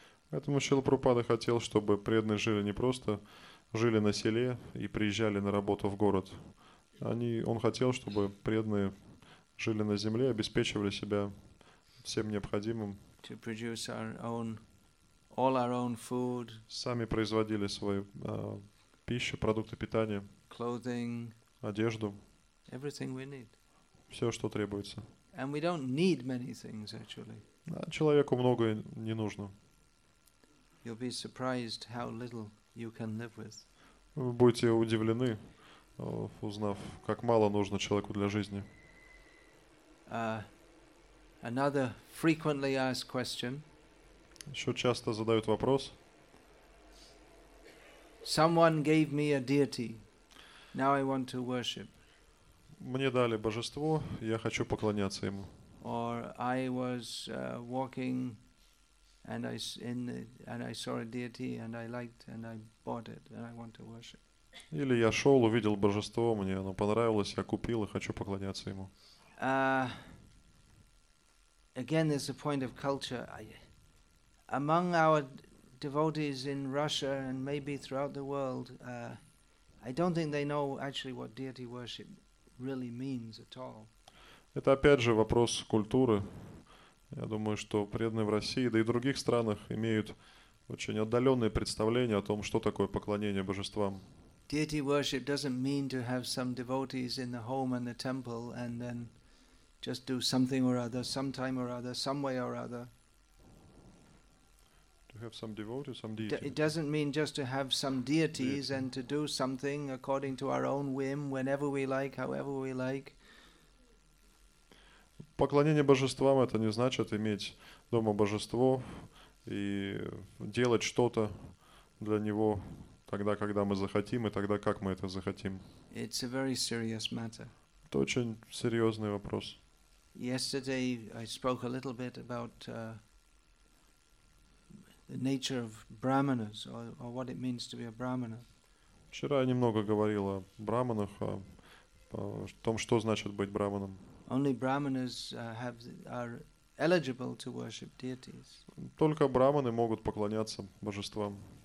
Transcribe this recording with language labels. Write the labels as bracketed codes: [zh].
[ru] Поэтому Шрила Прабхупада хотел, чтобы преданные жили не просто жили на селе и приезжали на работу в город. Он хотел, чтобы преданные жили на земле, обеспечивали себя всем необходимым. [en] To produce our own, all our own food. [ru] Сами производили свою пищу, продукты питания. [en] Clothing. [ru] Одежду. [en] Everything we need. [ru] Все, что требуется. [en] And we don't need many things, actually. [ru] Человеку многое не нужно. [en] You'll be surprised how little you can live with. [ru] Вы будете удивлены, узнав, как мало нужно человеку для жизни. [en] Another frequently asked question. [ru] Еще часто задают вопрос. [en] Someone gave me a deity. Now I want to worship. [ru] Мне дали божество, я хочу поклоняться ему. [en] Or I was walking and I saw a deity and I liked and I bought it and I want to worship. [ru] Или я шел, увидел божество, мне оно понравилось, я купил и хочу поклоняться ему. [en] Again, there's a point of culture. Among our devotees in Russia and maybe throughout the world, I don't think they know actually what deity worship really means at all. [ru] Это опять же вопрос культуры. Я думаю, что преданные в России, да и в других странах, имеют очень отдаленные представления о том, что такое поклонение божествам. [en] Deity worship doesn't mean to have some devotees in the home and the temple and then just do something or other, sometime or other, some way or other. To have some devotees, some deity. It doesn't mean just to have some deities and to do something according to our own whim, whenever we like, however we like. [ru] Поклонение божествам это не значит иметь дома божество и делать что-то для него тогда, когда мы захотим, и тогда, как мы это захотим. [en] It's a very serious matter. [ru] Это очень серьезный вопрос. [en] Yesterday I spoke a little bit about the nature of brahmanas or what it means to be a brahmana. [ru] Вчера я немного говорил о брахманах, о том, что значит быть брахманом. [en] Only brahmanas are eligible to worship deities. [ru] Только брахманы могут поклоняться божествам.